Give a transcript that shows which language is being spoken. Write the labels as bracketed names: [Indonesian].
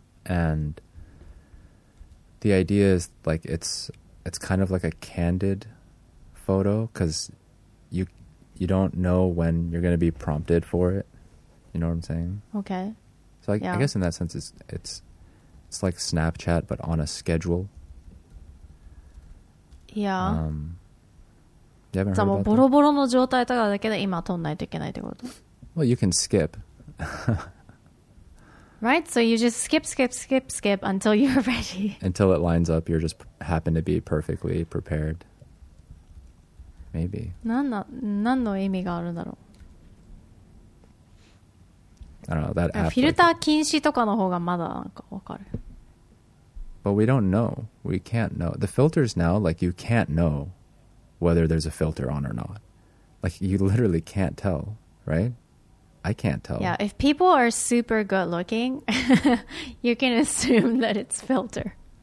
[English] And the idea is like it's kind of like a candid photo because you don't know when you're going to be prompted for it. You know what I'm saying? Okay. So I guess in that sense it's like Snapchat but on a schedule. Yeah. You haven't heard about that? [Japanese] ボロボロの状態だからだけで今撮んないといけないってこと? [English] Well, you can skip. Right, so you just skip until you're ready. Until it lines up, you're just happen to be perfectly prepared. Maybe. [Japanese] 何の意味があるんだろう? [English] I don't know, that app... [Japanese] フィルター禁止とかの方がまだなんかわかる。 [English] But we don't know. We can't know. The filters now, like, you can't know whether there's a filter on or not. Like, you literally can't tell, right? I can't tell. Yeah, if people are super good looking, you can assume that it's filter.